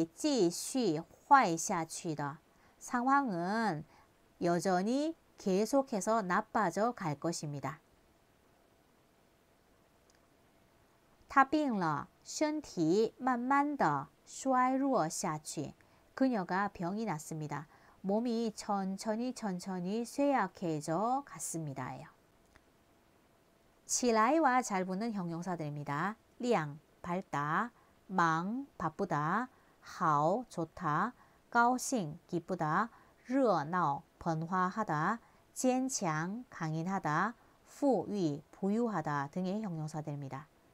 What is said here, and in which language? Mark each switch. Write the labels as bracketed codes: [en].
[zh] 情况还会继续坏下去的. [ko] 상황은 여전히 계속해서 나빠져 갈 것입니다. [zh] 她病了，身体慢慢的衰弱下去. [ko] 그녀가 병이 났습니다. 몸이 천천히 천천히 쇠약해져 갔습니다예요. 起来와 잘 붙는 형용사들입니다. 량, 밝다, 忙, 바쁘다, 好, 좋다, 高兴, 기쁘다, 热闹, 번화하다, 坚强, 강인하다, 富裕, 부유하다 등의 형용사들입니다.